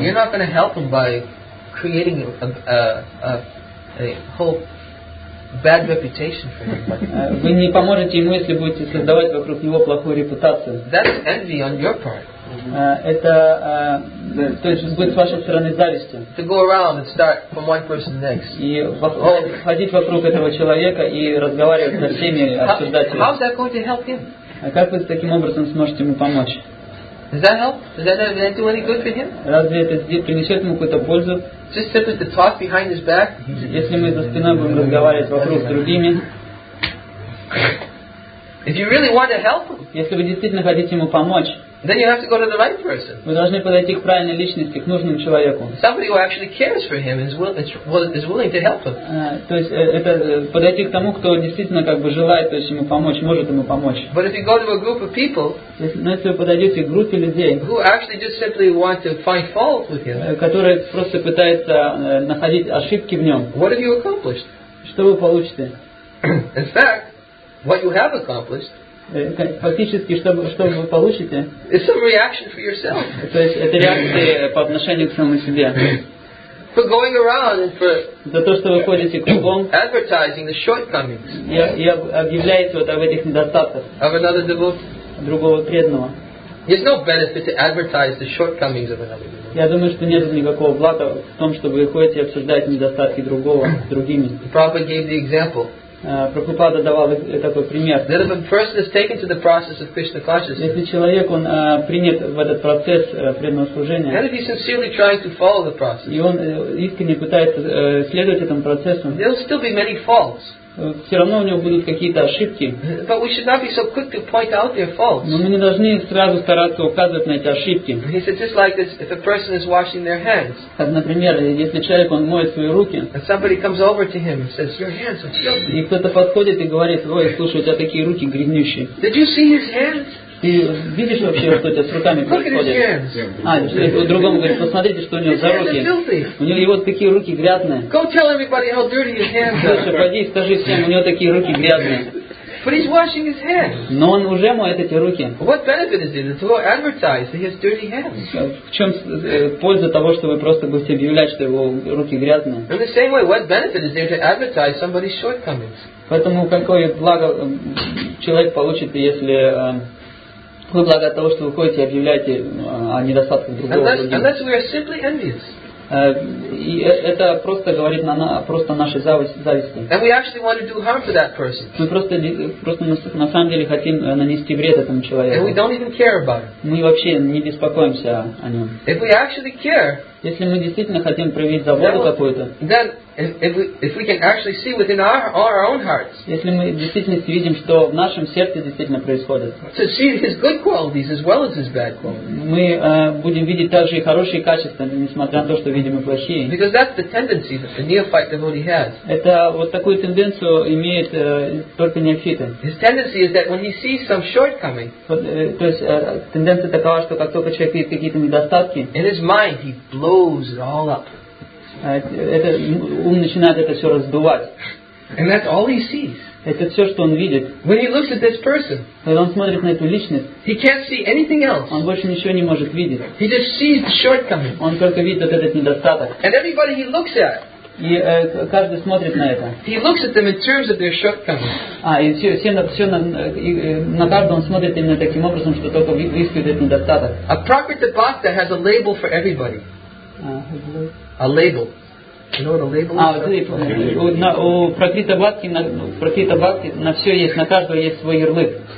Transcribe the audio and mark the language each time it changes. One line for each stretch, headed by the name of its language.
English: you're not going to help him by creating a whole bad reputation for him.
Russian: Вы не поможете ему, если будете создавать вокруг него плохую репутацию.
English: That's envy on your part.
Russian: Это то есть будет с вашей стороны зависть.
English: To go around and start from one person next.
Russian: И ходить вокруг этого человека и разговаривать со всеми, обсуждать.
English: How's that going to help him?
Russian: А как вы таким образом сможете ему помочь?
English: Does that help? Does that do any good for him?
Russian: Разве это принесет ему какую-то пользу?
English: Just simply to talk behind his back.
Russian: Если мы за спиной будем разговаривать вокруг с другими.
English: If you really want to help him.
Russian: Если вы действительно хотите ему помочь.
English: Then you have to go to the right person.
Russian: Вы должны подойти к правильной личности, к нужному человеку.
English: Somebody who actually cares for him is willing to help him.
Russian: То есть это подойти к тому, кто действительно как бы желает, то есть ему помочь, может ему помочь.
English: But if you go to a group of people.
Russian: Но если вы подойдете к группе людей.
English: Who actually just simply want to find fault with him.
Russian: Которые просто пытаются находить ошибки в нем.
English: What have you accomplished?
Russian: Что вы получите?
English: In fact, what you have accomplished.
Russian: Фактически, что вы получите?
English: It's a reaction for yourself.
Russian: То есть это реакция по отношению к самому себе.
English: For going around and for
Russian: за то, что вы ходите кругом,
English: advertising the shortcomings.
Russian: И объявляете вот об этих недостатках.
English: Of another devotee.
Russian: Другого преданного.
English: There's no benefit to advertise the shortcomings of another devotee.
Russian: Я думаю, что нет никакого блага в том, чтобы вы ходите и обсуждаете недостатки другого с другими.
English: Prabhupada gave the example.
Russian: Прабхупада давал такой пример.
English: That if a person is taken to the process of Krishna consciousness,
Russian: если человек он принят в этот процесс преданного служения,
English: and if he's sincerely trying to follow the process,
Russian: и он искренне пытается следовать этому процессу,
English: there will still be many faults.
Russian: Все равно у него будут какие-то ошибки.
English: But we should not be so quick to point out their faults.
Russian: Но мы не должны сразу стараться указывать на эти ошибки.
English: He said just like this, if a person is washing their hands.
Russian: Как, например, если человек он моет свои руки.
English: And somebody comes over to him and says, your hands are filthy.
Russian: И кто-то подходит и говорит, ой, слушай, у тебя такие руки грязнющие.
English: Did you see his hands?
Russian: Ты видишь вообще, что у тебя с руками происходит? А, другому говорит, посмотрите, что у него за руки. У него вот такие руки грязные.
English: Go tell everybody how dirty his hands are.
Russian: Слушай, пойди и скажи всем, у него такие руки грязные.
English: But he's washing his hands.
Russian: Но он уже моет эти руки.
English: What benefit is it? It's all advertised. He has dirty hands.
Russian: В чем польза того, что вы просто будете объявлять, что его руки грязные?
English: In the same way, what benefit is there to advertise somebody's shortcomings?
Russian: Поэтому какое благо человек получит, если вы благо от того, что вы ходите и объявляете о недостатках другого.
English: Unless we are simply envious.
Russian: И это просто говорит на просто нашей зависти.
English: And we actually want to do harm to that person.
Russian: Мы просто на самом деле хотим нанести вред этому человеку.
English: And we don't even care about it.
Russian: Мы вообще не беспокоимся о нем.
English: If we actually care.
Russian: Если мы действительно хотим проявить заботу какую-то.
English: Then if we can actually see within our own hearts.
Russian: Если мы действительно видим, что в нашем сердце действительно происходит.
English: To see his good qualities as well as his bad qualities.
Russian: Мы будем видеть также и хорошие качества, несмотря на то, что видим и плохие.
English: Because that's the tendency that the neophyte devotee has.
Russian: Это вот такую тенденцию имеет только неофиты.
English: His tendency is that when he sees some shortcoming.
Russian: То есть тенденция такова, что как только человек видит какие-то недостатки.
English: In his mind he blows it all up.
Russian: Это ум начинает это все раздувать.
English: And that's all he sees.
Russian: Это все, что он видит.
English: When he looks at this person,
Russian: когда он смотрит на эту личность,
English: he can't see anything else.
Russian: Он больше ничего не может видеть.
English: He just sees the shortcoming.
Russian: Он только видит вот этот недостаток.
English: And everybody he looks at.
Russian: И каждый смотрит на это.
English: He looks at them in terms of their shortcomings.
Russian: А, и все на каждого он смотрит именно таким образом, что только выискивает этот недостаток.
English: A proper tapasya has a label for everybody. A label. You know what a label is?
Russian: У Пракрита Бхатки на все есть, на каждого есть свой ярлык.